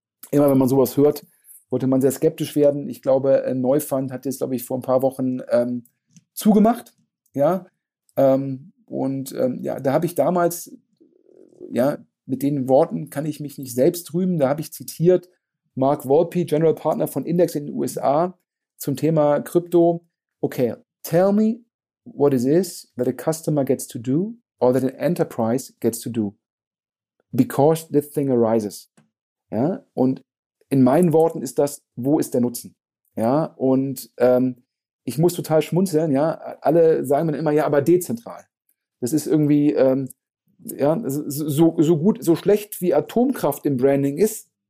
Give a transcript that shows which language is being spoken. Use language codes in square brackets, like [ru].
[de] Immer wenn man sowas hört, wollte man sehr skeptisch werden. Ich glaube, Neufund hat das, glaube ich, vor ein paar Wochen zugemacht. Ja? Da habe ich damals, ja, mit den Worten kann ich mich nicht selbst rühmen, da habe ich zitiert, Mark Volpe, General Partner von Index in den USA, zum Thema Krypto. [en] Okay, tell me what it is that a customer gets to do or that an enterprise gets to do because this thing arises. [de] Ja, und in meinen Worten ist das, wo ist der Nutzen? Ja, und ich muss total schmunzeln, ja, alle sagen mir immer, ja, aber dezentral. Das ist irgendwie, so gut, so schlecht wie Atomkraft im Branding ist,